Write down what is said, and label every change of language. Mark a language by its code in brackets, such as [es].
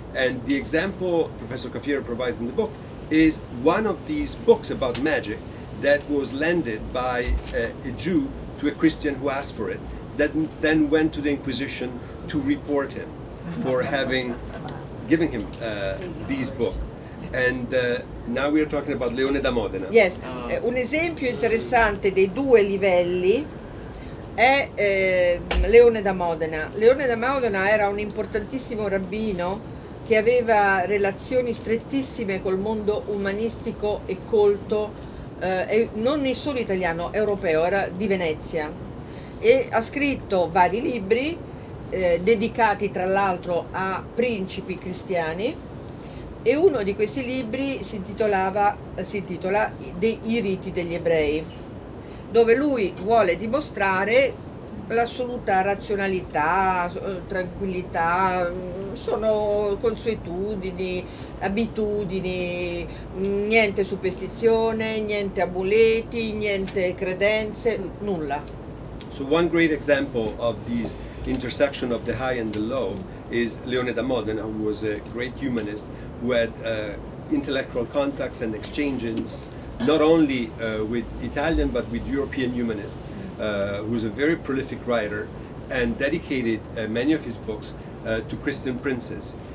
[en] And the example Professor Caffiero provides in the book is one of these books about magic that was lended by a Jew to a Christian who asked for it, that then went to the Inquisition to report him for having given him this book. And now we are talking about Leone da Modena. [it] Yes, un esempio interessante dei due livelli è Leone da Modena. Leone da Modena era un importantissimo rabbino che aveva relazioni strettissime col mondo umanistico e colto, e non solo italiano, europeo, era di Venezia. E ha scritto vari libri, dedicati tra l'altro a principi cristiani, e uno di questi libri si intitola I riti degli ebrei, dove lui vuole dimostrare l'assoluta razionalità, tranquillità, sono consuetudini, abitudini, niente superstizione, niente amuleti, niente credenze, nulla. [en] So one great example of this intersection of the high and the low is Leone da Modena, who was a great humanist, who had intellectual contacts and exchanges not only with Italian but with European humanists, who's a very prolific writer, and dedicated many of his books to Christian princes.